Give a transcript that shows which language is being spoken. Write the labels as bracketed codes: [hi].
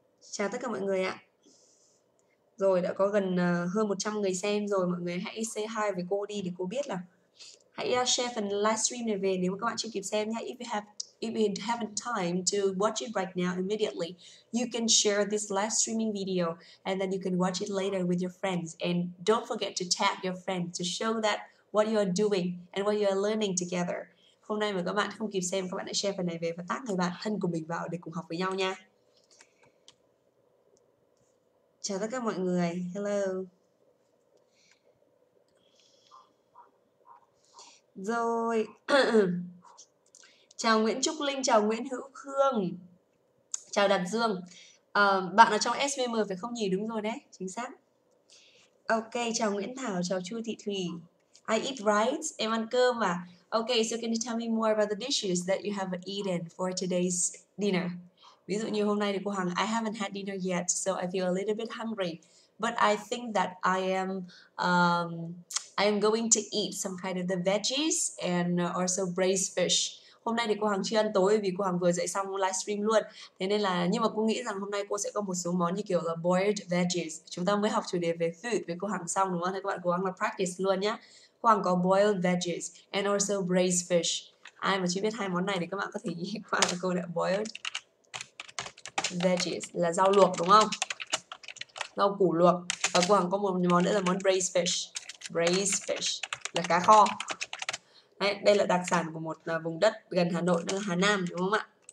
[vi] Chào tất cả mọi người ạ. Rồi, đã có gần hơn 100 người xem rồi. Mọi người hãy [en] say hi [vi] với cô đi để cô biết là hãy share phần livestream này về nếu mà các bạn chưa kịp xem nha. [en] If you haven't time to watch it right now immediately, you can share this live streaming video and then you can watch it later with your friends. And don't forget to tag your friends to show that what you are doing and what you are learning together. [vi] Hôm nay mà các bạn không kịp xem, các bạn hãy share phần này về và tag người bạn thân của mình vào để cùng học với nhau nha. Chào tất cả mọi người. Hello. Rồi. Chào Nguyễn Trúc Linh, chào Nguyễn Hữu Khương, chào Đạt Dương. Bạn ở trong SVM phải không nhỉ? Đúng rồi đấy, chính xác. Ok, chào Nguyễn Thảo, chào Chu Thị Thùy. [en] I eat rice, [vi] em ăn cơm à? [en] Ok, so can you tell me more about the dishes that you have eaten for today's dinner? [vi] Ví dụ như hôm nay thì cô Hằng, [en] I haven't had dinner yet, so I feel a little bit hungry. But I think that I am going to eat some kind of the veggies and also braised fish. [vi] Hôm nay thì cô Hằng chưa ăn tối vì cô Hằng vừa dậy xong livestream luôn. Thế nên là, nhưng mà cô nghĩ rằng hôm nay cô sẽ có một số món như kiểu là [en] boiled veggies. [vi] Chúng ta mới học chủ đề về food với cô Hằng xong đúng không? Thế các bạn cố gắng là practice luôn nhá. Cô Hằng có [en] boiled veggies and also braised fish. [vi] Ai mà chưa biết hai món này thì các bạn có thể nghĩ qua là cô đã [en] boiled veggies [vi] là rau luộc đúng không? Rau củ luộc. Và cô Hằng có một món nữa là món [en] braised fish. [vi] Braised fish là cá kho. Đấy, đây là đặc sản của một vùng đất gần Hà Nội, Hà Nam đúng không ạ?